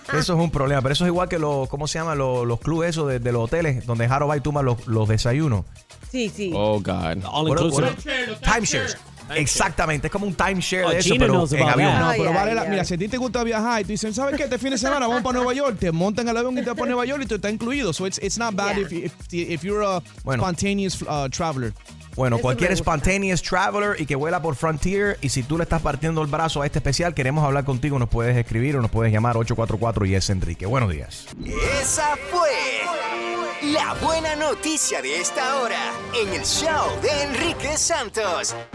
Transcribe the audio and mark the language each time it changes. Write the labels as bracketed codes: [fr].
[es] Eso es un problema, pero eso es igual que los clubes esos de los hoteles, donde Jaro va y toma los desayunos. Sí, sí. [en] Oh, God. All inclusive. Timeshares. [es] Exactamente, es como un timeshare de eso, Gina, pero en avión. No, pero vale, mira, si a ti te gusta viajar y tú dices, ¿sabes qué? Este fin de semana vamos para Nueva York, te montan al avión y te vas para Nueva York y tú estás incluido. [en] So it's not bad if you're a spontaneous traveler. [es] Bueno, cualquier [en] spontaneous traveler [es] y que vuela por Frontier, y si tú le estás partiendo el brazo a este especial, queremos hablar contigo. Nos puedes escribir o nos puedes llamar 844-YES-ENRIQUE. Buenos días. Esa fue la buena noticia de esta hora en el show de Enrique Santos.